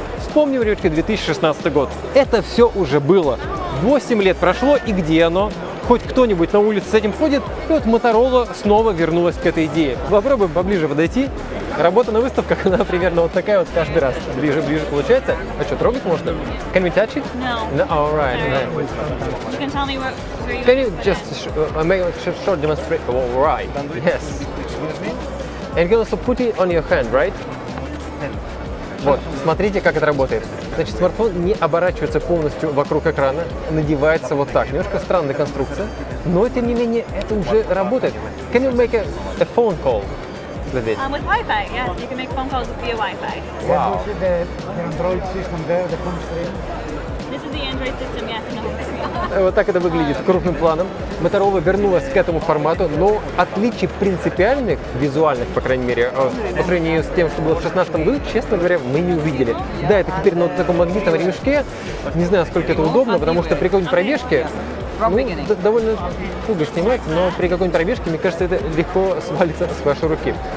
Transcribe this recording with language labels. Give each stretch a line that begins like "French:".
Russian: Вспомним, ребятки, 2016 год. Это все уже было. 8 лет прошло, и где оно? Хоть кто-нибудь на улице с этим ходит, и вот Motorola снова вернулась к этой идее. Попробуем поближе подойти. Работа на выставках, она примерно вот такая вот каждый раз. Ближе-ближе получается. А что, трогать можно?
English: Can we touch it? No. No? All right. No. You can tell me what... Can you just make a short demonstration? All right. Yes. And you can also put it on your hand, right?
Russian: Вот, смотрите, как это работает. Значит, смартфон не оборачивается полностью вокруг экрана, надевается вот так. Немножко странная конструкция, но, тем не менее, это уже работает.
English: Can you make a phone call? With Wi-Fi, yes. You can make phone calls via Wi-Fi. Wow. Can you see the Android system there, the home screen? This is the Android system, yes.
Russian: Вот так это выглядит крупным планом. Motorola вернулась к этому формату, но отличий принципиальных, визуальных, по крайней мере, по сравнению с тем, что было в 2016 году, честно говоря, мы не увидели. Да, это теперь на вот таком магнитном ремешке. Не знаю, сколько это удобно, потому что при какой-нибудь пробежке, ну, довольно туго снимать, но при какой-нибудь пробежке, мне кажется, это легко свалится с вашей руки.